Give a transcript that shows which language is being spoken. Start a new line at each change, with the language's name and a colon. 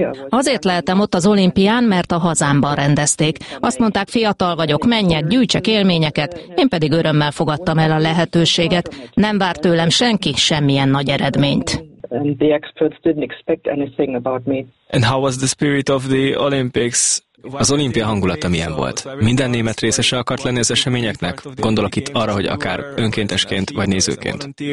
Hungarian: Azért lehettem ott az olimpián, mert a hazámban rendezték. Azt mondták, fiatal vagyok, menjek, gyűjtsek élményeket, én pedig örömmel fogadtam el a lehetőséget. Nem várt tőlem senki semmilyen nagy eredményt.
English: And the experts didn't expect anything about me. And how was the spirit of the Olympics?
Hungarian: Az olimpia hangulata milyen volt? Minden német részese akart lenni az eseményeknek? Gondolok itt arra, hogy akár önkéntesként vagy nézőként.